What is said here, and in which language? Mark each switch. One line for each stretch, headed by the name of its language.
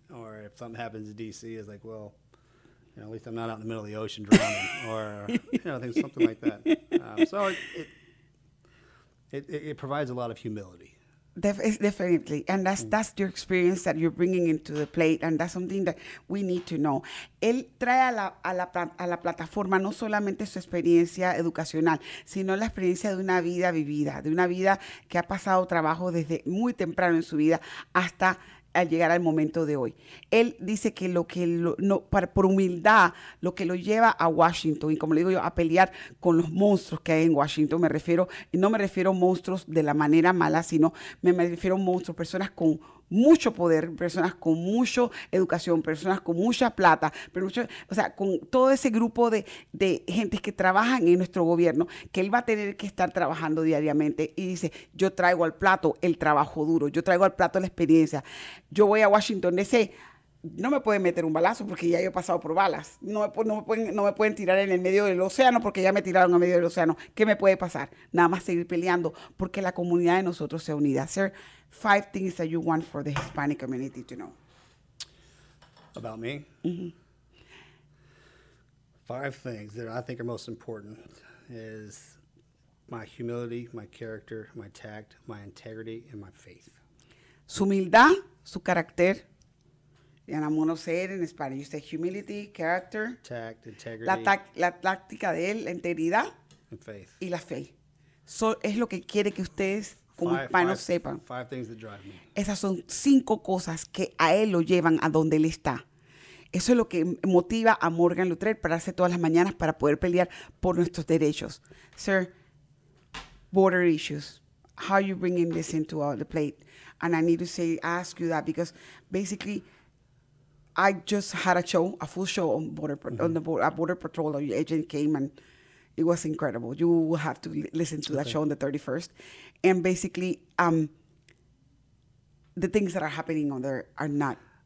English: Or if something happens in DC, it's like, well, you know, at least I'm not out in the middle of the ocean drowning, or, you know, things, something like that. So it provides a lot of humility. Definitely. And that's your experience that you're bringing into the plate. And that's something that we need to know.
Spanish: Él trae a la plataforma no solamente su experiencia educacional, sino la experiencia de una vida vivida, de una vida que ha pasado trabajo desde muy temprano en su vida hasta al llegar al momento de hoy. Él dice que por humildad, lo que lo lleva a Washington, y como le digo yo, a pelear con los monstruos que hay en Washington, no me refiero a monstruos de la manera mala, sino me refiero a monstruos, personas con mucho poder, personas con mucha educación, personas con mucha plata, con todo ese grupo de gente que trabajan en nuestro gobierno, que él va a tener que estar trabajando diariamente. Y dice, yo traigo al plato el trabajo duro, yo traigo al plato la experiencia. Yo voy a Washington DC no me pueden meter un balazo porque ya yo he pasado por balas. No me pueden tirar en el medio del océano porque ya me tiraron en medio del océano. ¿Qué me puede pasar? Nada más seguir peleando porque la comunidad de nosotros se unida. Hacer
English: five things that you want for the Hispanic community to know. About me? Mm-hmm. Five things that I think are most important is my humility, my character, my tact, my integrity, and my faith.
Spanish: Su humildad, su carácter.
English: And I'm going to say it in Spanish. You say humility, character. Tact, integrity.
Spanish: La táctica de él, la integridad.
English: And faith.
Spanish: Y la fe. So, es lo que quiere que ustedes como hispanos sepan.
English: Five things that drive me.
Spanish: Esas son cinco cosas que a él lo llevan a donde él está. Eso es lo que motiva a Morgan Luttrell para pararse todas las mañanas para poder pelear por nuestros derechos.
English: Sir, border issues. How are you bringing this into the plate? And I need to say, ask you that because basically, I just had a show, a full show on border, mm-hmm. on the border, a border patrol agent came and it was incredible. You will have to listen to that show on the 31st. And basically, the things that are happening on there are not.